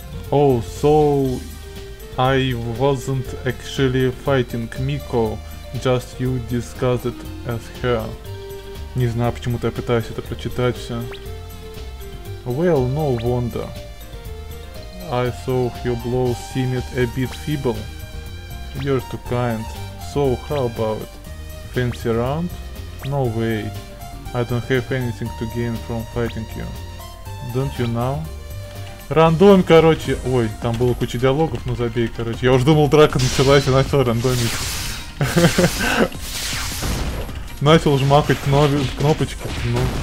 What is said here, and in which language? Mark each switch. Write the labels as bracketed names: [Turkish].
[English] Oh, so I wasn't actually fighting Miko, just you discussed it as her. [Russian] Не знаю, почему-то я пытаюсь это прочитать все. [English] Well, no wonder. I saw your blow seemed a bit feeble. You're too kind. So how about fancy round? No way. I don't have anything to gain from fighting you. Don't you know? [Russian] Рандом, короче. Ой, там было куча диалогов, но забей, короче. Я уже думал, драка началась, и начал рандомить. Начал жмакать кнопочки. Ну.